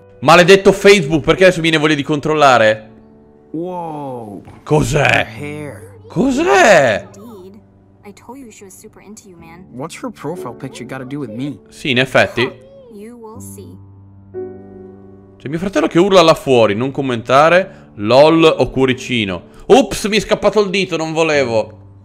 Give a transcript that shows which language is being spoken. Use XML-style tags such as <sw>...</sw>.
<it>Maledetto Facebook, perché adesso mi viene voglia di controllare?</it> <en>Wow.</en> <it>Cos'è? Cos'è?</it> <en>I told you she was super into you, man. What's her profile picture got to do with me?</en> <it>Sì, in effetti.</it> <en>You will see.</en> <it>C'è mio fratello che urla là fuori, non commentare. LOL o cuoricino. Ups, mi è scappato il dito, non volevo.</it>